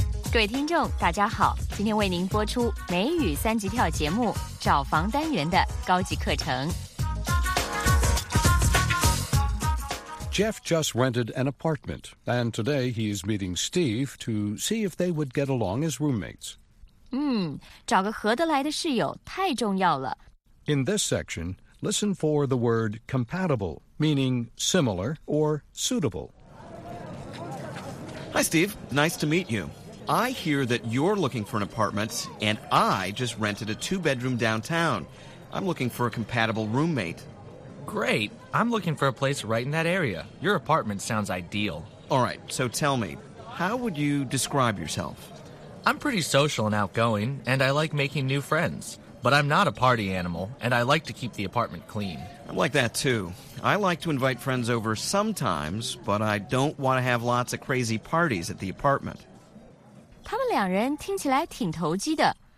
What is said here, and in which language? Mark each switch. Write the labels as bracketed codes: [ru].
[zh] 各位听众大家好，今天为您播出梅雨三级跳节目找房单元的高级课程。 [en] Jeff just rented an apartment, and today he is meeting Steve to see if they would get along as roommates. [zh] 找个合得来的室友太重要了。 [en] In this section, listen for the word compatible, meaning similar or suitable. Hi, Steve. Nice to meet you. I hear that you're looking for an apartment, and I just rented a two-bedroom downtown. I'm looking for a compatible roommate. Great. I'm looking for a place right in that area. Your apartment sounds ideal. All right, so tell me, how would you describe yourself? I'm pretty social and outgoing, and I like making new friends. But I'm not a party animal, and I like to keep the apartment clean. I like that, too. I like to invite friends over sometimes, but I don't want to have lots of crazy parties at the apartment. [zh] 他们两人听起来挺投机的。